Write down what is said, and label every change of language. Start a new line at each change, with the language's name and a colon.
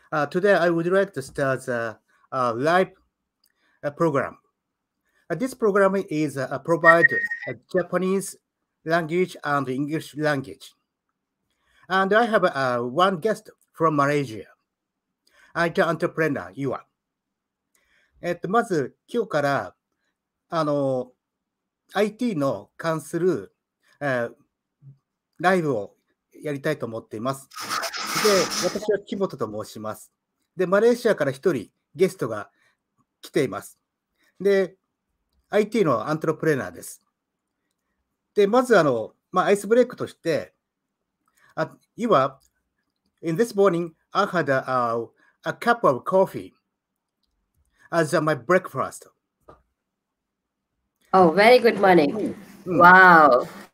English: Today I would like to start a live program. This program is provide a Japanese language and English language. And I have one guest from Malaysia, IT entrepreneur, Iwa.
Japanese: まず今日からあの IT の関する、ライブをやりたいと思っています。で、私は木本と申します。で、マレーシアから一人ゲストが来ています。で、IT のアントロプレーナーです。で、まずあの、まあ、アイスブレイクとして、
English: You are, in this morning, I had a cup of coffee as my breakfast. Oh, very good morning. Wow.